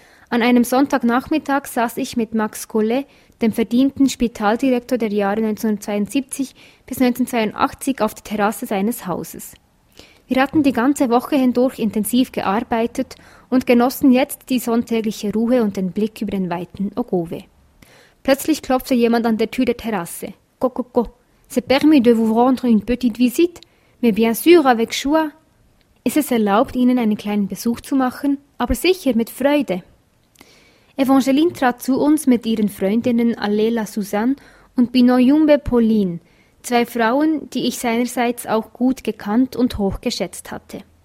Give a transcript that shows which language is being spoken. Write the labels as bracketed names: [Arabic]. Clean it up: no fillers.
[German] An einem Sonntagnachmittag saß ich mit Max Collet, dem verdienten Spitaldirektor der Jahre 1972 bis 1982, auf der Terrasse seines Hauses. Wir hatten die ganze Woche hindurch intensiv gearbeitet und genossen jetzt die sonntägliche Ruhe und den Blick über den weiten Ogowe. Plötzlich klopfte jemand an der Tür der Terrasse. [French] Coco, c'est permis de vous rendre une petite visite? Mais bien sûr, avec joie. [German] Ist es erlaubt, Ihnen einen kleinen Besuch zu machen? Aber sicher, mit Freude. Evangeline trat zu uns mit ihren Freundinnen Alela Suzanne und Binoyumbe Pauline, 2 Frauen, die ich seinerseits auch gut gekannt und hochgeschätzt hatte.